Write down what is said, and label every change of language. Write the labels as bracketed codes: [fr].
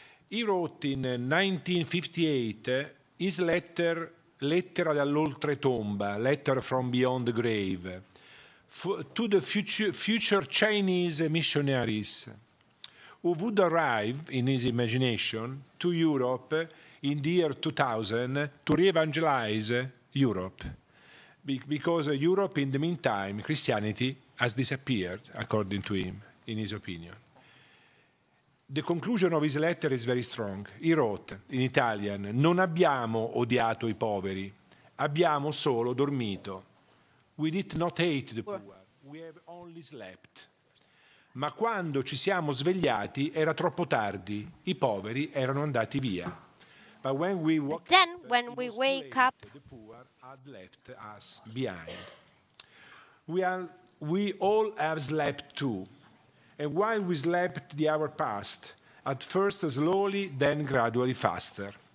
[en] He wrote in 1958 his letter, Lettera dall'Oltretomba, Letter from Beyond the Grave, to the future Chinese missionaries who would arrive, in his imagination, to Europe in the year 2000 to re-evangelize Europe. Because Europe, in the meantime, Christianity has disappeared, according to him, in his opinion. The conclusion of his letter is very strong. He wrote in Italian, [it] non abbiamo odiato i poveri, abbiamo solo dormito. [en] We did not hate the poor, we have only slept. [it] Ma quando ci siamo svegliati era troppo tardi, i poveri erano andati via. [en] But when we woke then, up, when we wake late, up, the poor had left us behind. We all have slept too. And while we slept, the hour passed, at first slowly, then gradually faster.